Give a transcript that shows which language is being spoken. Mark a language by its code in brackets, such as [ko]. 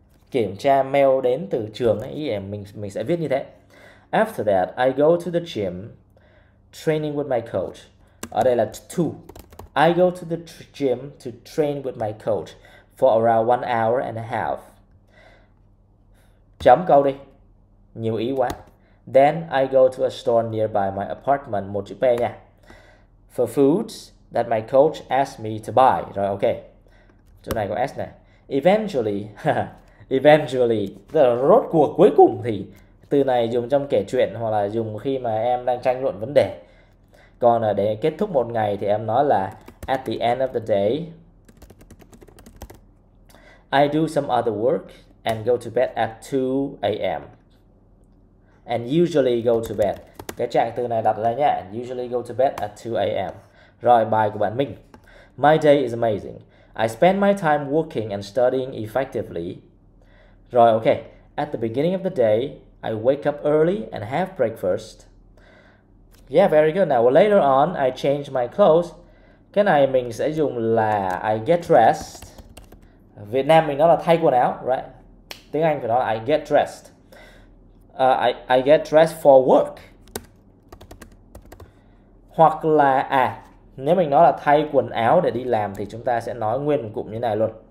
[vi] Kiểm tra mail đến từ trường ấy, mình sẽ viết như thế. [en] After that, I go to the gym, training with my coach. [vi] Ở đây là [en] two. I go to the gym to train with my coach for around 1.5 hours. [vi] Chấm câu đi. Nhiều ý quá. [en] Then I go to a store nearby my apartment, [vi] một chữ P nha, [en] for foods that my coach asked me to buy. [vi] Rồi ok. Chỗ này có S này. [en] Eventually, eventually, [vi] tức là rốt cuộc cuối cùng thì. Từ này dùng trong kể chuyện hoặc là dùng khi mà em đang tranh luận vấn đề. Còn để kết thúc một ngày thì em nói là [en] at the end of the day, I do some other work and go to bed at 2 a.m. And usually go to bed. [vi] Cái trạng từ này đặt ra nhé. [en] Usually go to bed at 2 a.m. [vi] Rồi bài của bạn Minh. [en] My day is amazing. I spend my time working and studying effectively. [vi] Rồi ok. [en] At the beginning of the day, I wake up early and have breakfast. Yeah, very good. Now, well, later on, I change my clothes. [vi] Cái này mình sẽ dùng là [en] I get dressed. [vi] Việt Nam mình nó là thay quần áo, [en] right? [vi] Tiếng Anh phải nói là [en] I get dressed. I get dressed for work. [vi] Hoặc là, à, nếu mình nói là thay quần áo để đi làm thì chúng ta sẽ nói nguyên cụm như này luôn.